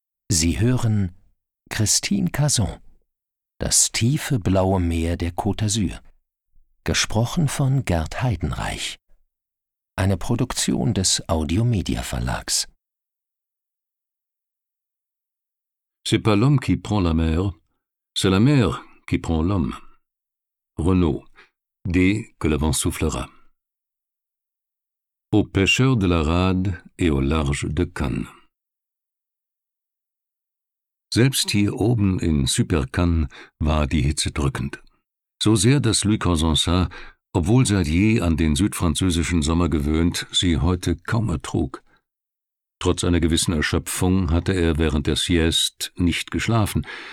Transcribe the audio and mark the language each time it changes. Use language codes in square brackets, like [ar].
[de] Sie hören Christine Cason, das tiefe blaue Meer der Côte d'Azur, gesprochen von Gerd Heidenreich, eine Produktion des Audiomedia Verlags. [fr] C'est pas l'homme qui prend la mer, c'est la mer qui prend l'homme. Renaud, dès que le vent soufflera. Aux pêcheurs de la rade et au large de Cannes. [de] Selbst hier oben in Super-Cannes war die Hitze drückend. So sehr, dass Louis Cosensat, obwohl seit je an den südfranzösischen Sommer gewöhnt, sie heute kaum ertrug. Trotz einer gewissen Erschöpfung hatte er während der Sieste nicht geschlafen.